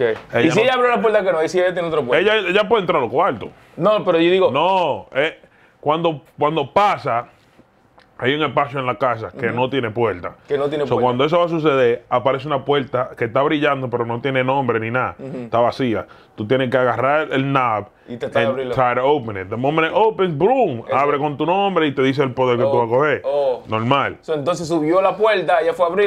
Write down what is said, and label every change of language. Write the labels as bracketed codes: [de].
[es] Ella ¿y si no, ella abre una puerta que no? ¿Y si ella tiene otra puerta? Ella puede entrar a los cuartos. No, pero yo digo. No, cuando pasa, hay un espacio en la casa que no tiene puerta. Que no tiene puerta. Cuando eso va a suceder, aparece una puerta que está brillando, pero no tiene nombre ni nada. Está vacía. Tú tienes que agarrar el knob y te está abriendo. [en] Try to open it. The moment it opens, boom. [es] Abre con tu nombre y te dice el poder que tú vas a coger. Normal. So, entonces subió la puerta y ya fue a abrir.